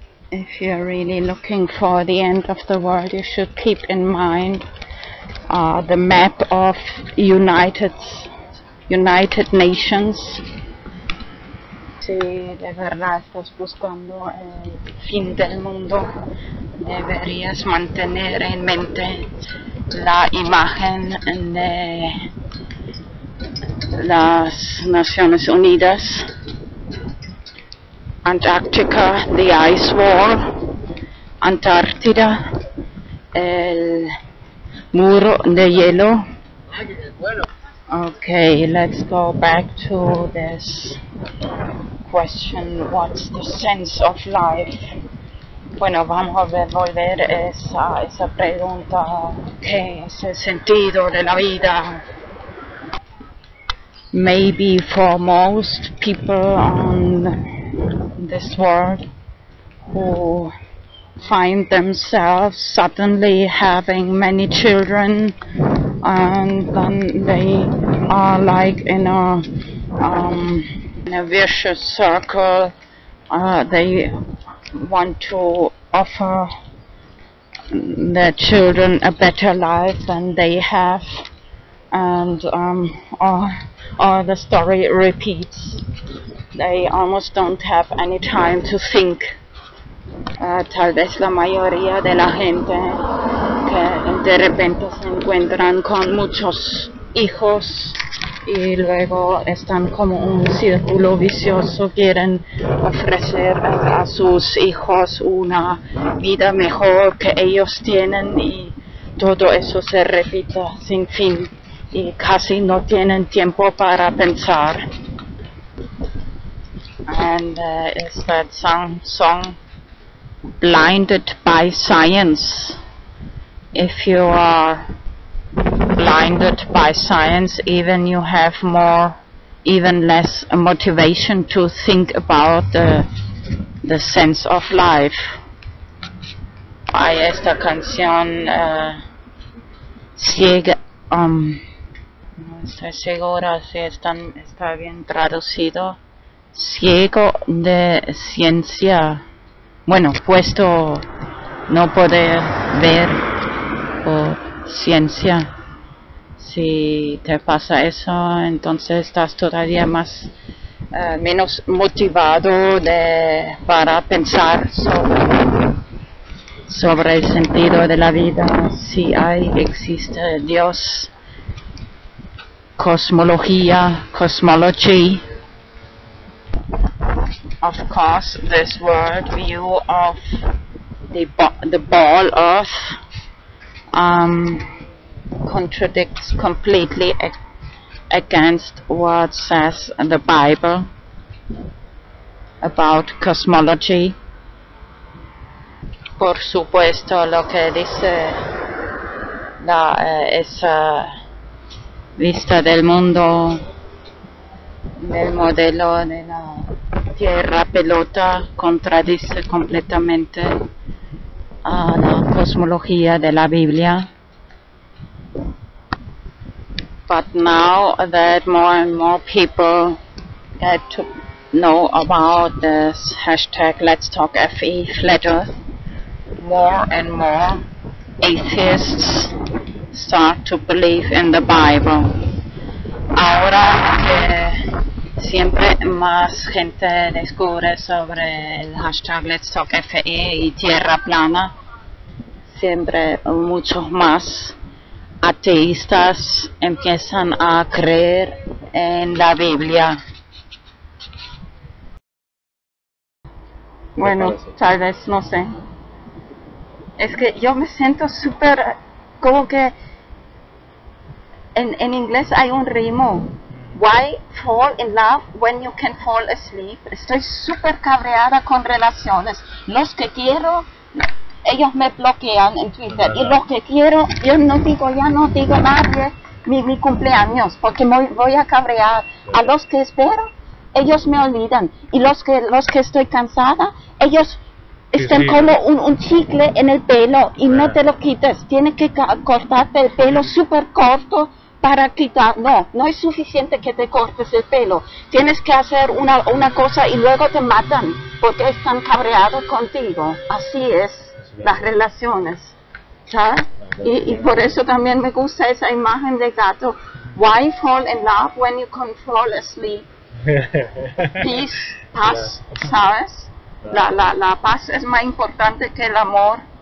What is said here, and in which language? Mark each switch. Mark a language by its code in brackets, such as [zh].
[en] If you're really looking for the end of the world, you should keep in mind the map of United Nations. [es] Si de verdad estás buscando el fin del mundo, deberías mantener en mente la imagen de las Naciones Unidas. [en] Antarctica, the ice wall, [es] Antártida, el muro de hielo. [en] Okay, let's go back to this question, what's the sense of life? [es] Bueno, vamos a devolver esa pregunta, ¿qué es el sentido de la vida? [en] Maybe for most people on this world who find themselves suddenly having many children and then they are like in a vicious circle, they want to offer their children a better life than they have, and or the story repeats. They almost don't have any time to think. [es] Tal vez la mayoría de la gente que de repente se encuentran con muchos hijos y luego están como un círculo vicioso, quieren ofrecer a sus hijos una vida mejor que ellos tienen y todo eso se repite sin fin y casi no tienen tiempo para pensar. [en] And is that song Blinded by Science? If you are blinded by science, even you have more, even less motivation to think about the sense of life. [es] Hay esta canción ciega, no estoy segura si está bien traducido. Ciego de ciencia, bueno, puesto no poder ver por ciencia. Si te pasa eso, entonces estás todavía más menos motivado para pensar sobre el sentido de la vida, si existe Dios, cosmología, cosmology. [en] Of course, this world view of the ball Earth contradicts completely against what says the Bible about cosmology. [es] por supuesto, lo que dice la esa vista del mundo, del modelo de la Tierra pelota, contradice completamente a la cosmología de la Biblia. [en] But now that more and more people get to know about this hashtag Let's Talk FE Flat Earth, more and more atheists start to believe in the Bible. [es] Ahora que siempre más gente descubre sobre el hashtag Let's Talk FE y Tierra Plana, siempre muchos más ateístas empiezan a creer en la Biblia. Bueno, tal vez, no sé. Es que yo me siento súper, como que, en inglés hay un ritmo. [en] Why fall in love when you can fall asleep? [es] Estoy súper cabreada con relaciones. Los que quiero, ellos me bloquean en Twitter. Y los que quiero, yo no digo, ya no digo nadie mi cumpleaños, porque me voy a cabrear. A los que espero, ellos me olvidan. Y los que estoy cansada, ellos están como un chicle en el pelo y no te lo quites. Tienes que cortarte el pelo súper corto para quitar. No es suficiente que te cortes el pelo. Tienes que hacer una cosa y luego te matan porque están cabreados contigo. Así es las relaciones, ¿sabes? Y por eso también me gusta esa imagen de gato. [en] Why fall in love when you can fall asleep? [es] Peace, paz, ¿sabes? La paz es más importante que el amor.